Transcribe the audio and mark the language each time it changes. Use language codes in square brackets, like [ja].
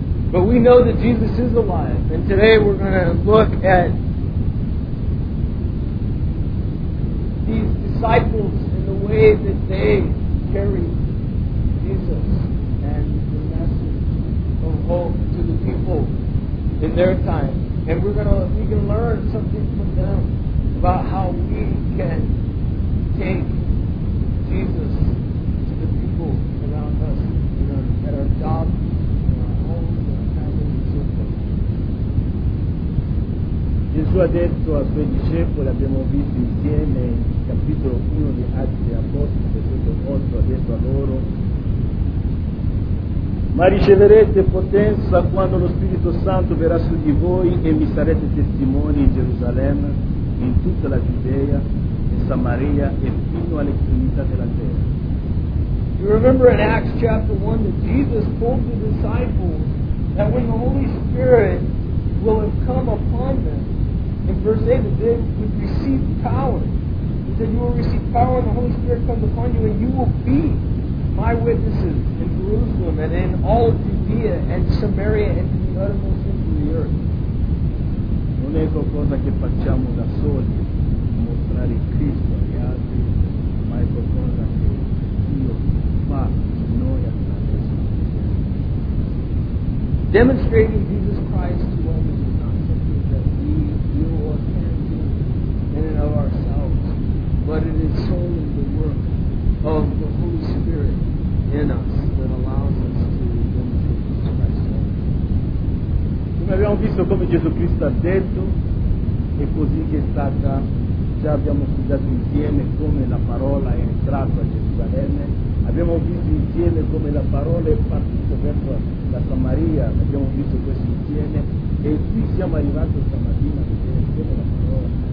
[en] But we know that Jesus is alive, and today we're going to look at disciples in the way that they carry Jesus and the message of hope to the people in their time. And we can learn something from them about how we can take Jesus to the people around us, at our job, in our home, in our family, and so forth. [it] Gesù ha detto a suoi discepoli, abbiamo visto insieme capitolo 1 di Atti degli Apostoli, versetto 8, ha detto a loro: ma riceverete potenza quando lo Spirito Santo verrà su di voi e mi sarete testimoni in Gerusalemme, in tutta la Giudea, in Samaria e fino all'estremità della terra. [en] You remember in Acts chapter 1 that Jesus told the disciples that when the Holy Spirit will have come upon them, in verse 8, that they would receive power. That you will receive power when the Holy Spirit comes upon you, and you will be my witnesses in Jerusalem and in all of Judea and Samaria and to the uttermost ends of the earth. [it] Non è qualcosa che facciamo da soli, mostrare Cristo agli altri, ma è qualcosa che Dio fa in noi attraverso. [en] Demonstrating Jesus Christ to others is not something that we do or can do in and of ourselves, but it is solely the work of the Holy Spirit in us that allows us to demonstrate Christ. [it] Come abbiamo visto, come Gesù Cristo ha detto, e così che è stata, già abbiamo studiato insieme come la parola è entrata a Gerusalemme, abbiamo visto insieme come la parola è partita verso la Samaria, abbiamo visto questo insieme, e qui siamo arrivati stamattina a vedere come la parola.